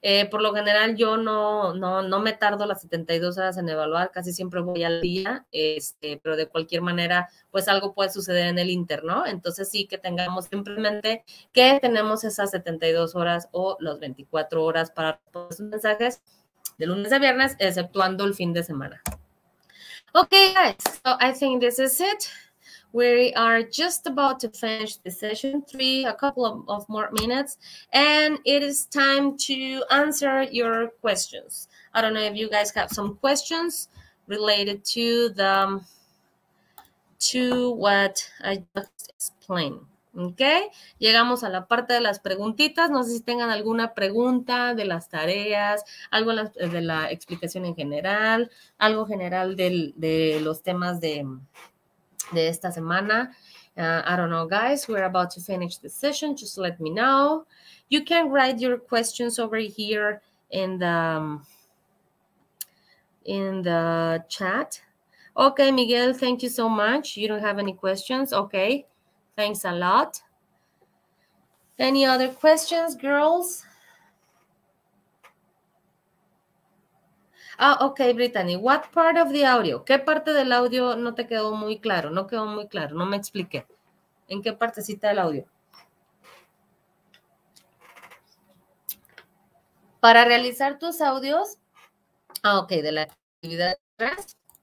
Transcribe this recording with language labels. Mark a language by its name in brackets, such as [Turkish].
[Spanish] Por lo general, yo no me tardo las 72 horas en evaluar, casi siempre voy al día, pero de cualquier manera, pues algo puede suceder en el inter, ¿no? Entonces, sí que tengamos simplemente que tenemos esas 72 horas o las 24 horas para responder sus mensajes de lunes a viernes, exceptuando el fin de semana. [English] Ok, guys, so I think this is it. We are just about to finish the session 3, a couple of more minutes, and it is time to answer your questions. I don't know if you guys have some questions related to what I just explained. [Spanish] Okay, llegamos a la parte de las preguntitas. No sé si tengan alguna pregunta de las tareas, algo de la explicación en general, algo general de los temas de esta semana. [English] I don't know, guys, we're about to finish the session, just let me know. You can write your questions over here in the chat. Okay, Miguel, thank you so much. You don't have any questions? Okay, thanks a lot. Any other questions, girls? Ah, okay, Brittany, what part of the audio? [Spanish] ¿Qué parte del audio no te quedó muy claro? No quedó muy claro, no me expliqué. ¿En qué partecita del audio? Para realizar tus audios, ah, okay, de la actividad de atrás.